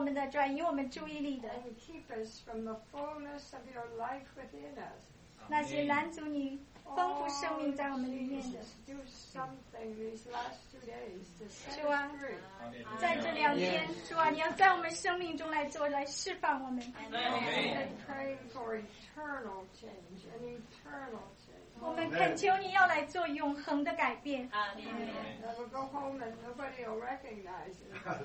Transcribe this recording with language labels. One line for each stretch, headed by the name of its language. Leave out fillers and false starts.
Chinese: 转移我们注意力的
English: and keep us from the fullness of your life within us.
Chinese: 那些拦阻你丰富生命在我们里面的
English: do something these last 2 days to set us free.
Chinese: 在这两天主啊你要在我们生命中来做来释放我们
English: and pray for eternal change an eternal change.
Chinese: 我们恳求你要来做永恒的改变
English: that will go home and nobody will recognize it.